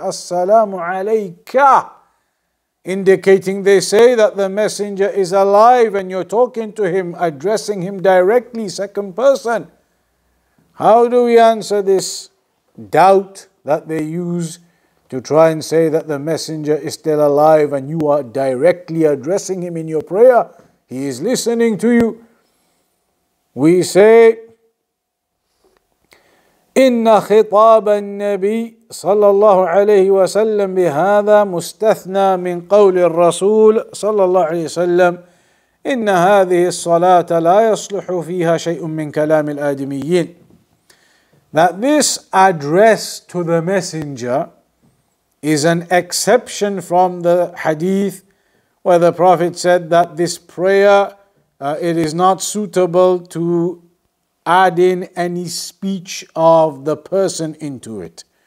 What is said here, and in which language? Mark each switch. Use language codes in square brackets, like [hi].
[en] As-salamu alayka. Indicating, they say, that the Messenger is alive and you're talking to him, addressing him directly, second person. How do we answer this doubt that they use to try and say that the Messenger is still alive and you are directly addressing him in your prayer? He is listening to you. [ar] We say, إن خطاب النبي صلى الله عليه وسلم بهذا مستثنى من قول الرسول صلى الله عليه وسلم إن هذه الصلاة لا يصلح فيها شيء من كلام الآدميين. [en] That this address to the messenger is an exception from the hadith where the Prophet said that this prayer, it is not suitable to add in any speech of the person into it.